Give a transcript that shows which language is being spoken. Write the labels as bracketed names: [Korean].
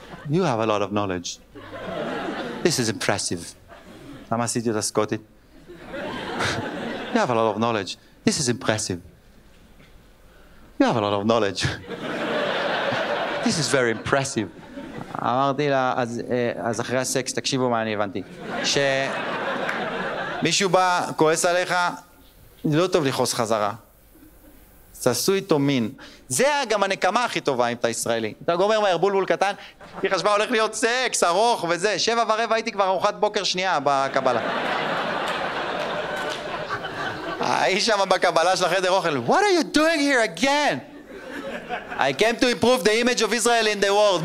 [English] You have a lot of knowledge. This is impressive. [Hebrew] למה עשיתי את הסקוטית? [English] You have a lot of knowledge. This is impressive. You have a lot of knowledge. This is very impressive. [Hebrew] אמרתי לה, אז אחרי הסקס, תקשיבו מה אני הבנתי. שמישהו בא, כועס עליך, לא טוב לכעוס חזרה. תעשו איתו מין. זה גם הנקמה הכי טובה אם אתה ישראלי. אתה גומר מהר בולבול קטן, היא חשבה הולך להיות סקס, ארוך וזה. 7:15 הייתי כבר ארוחת בוקר שנייה בקבלה. היא שם בקבלה של החדר אוכל. [English] What are you doing here again? I came to improve the image of Israel in the world.